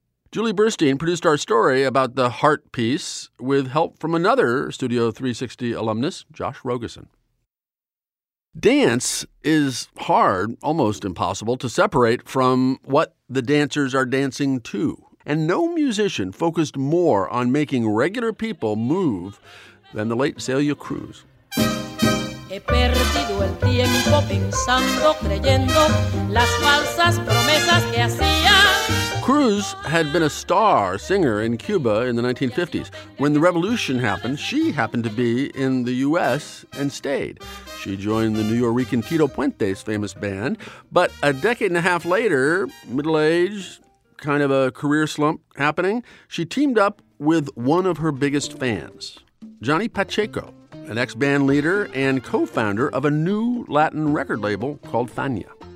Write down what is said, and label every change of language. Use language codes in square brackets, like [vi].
[en] Julie Burstein produced our story about the heart piece with help from another Studio 360 alumnus, Josh Rogerson. Dance is hard, almost impossible, to separate from what the dancers are dancing to. And no musician focused more on making regular people move than the late Celia Cruz. [es] He perdido el tiempo pensando, creyendo las falsas promesas que hacía. [en] Cruz had been a star singer in Cuba in the 1950s. When the revolution happened, she happened to be in the U.S. and stayed. She joined the New Yorican Tito Puente's famous band. But a decade and a half later, middle age, kind of a career slump happening, she teamed up with one of her biggest fans, Johnny Pacheco, an ex-band leader and co-founder of a new Latin record label called Fania.